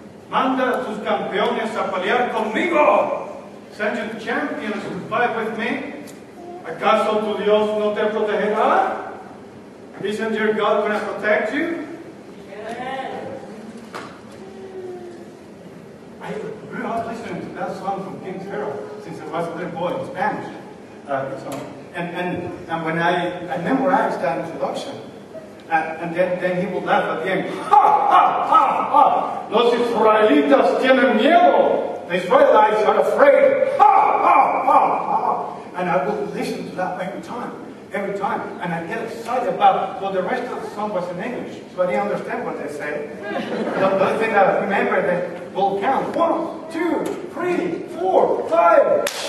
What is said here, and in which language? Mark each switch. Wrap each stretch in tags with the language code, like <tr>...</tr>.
<es>Manda a tus campeones a pelear conmigo.</es> <en>Send your champions to fight with me.</en> <es>¿Acaso tu Dios no te protegerá?</es> <en>Isn't your God going to protect you? Yeah. I grew up listening to that song from King's Herald since I was a little boy in Spanish. And when I memorized that introduction, and then he would laugh again. Ha, ha, ha, ha.</en> <es>Los Israelitas tienen miedo.</es> <en>The Israelites are afraid. Ha, ha, ha, ha. And I would listen to that every time. And I get excited about it. Well, the rest of the song was in English, so I didn't understand what they said. The only thing I remember that will count. 1, 2, 3, 4, 5.</en>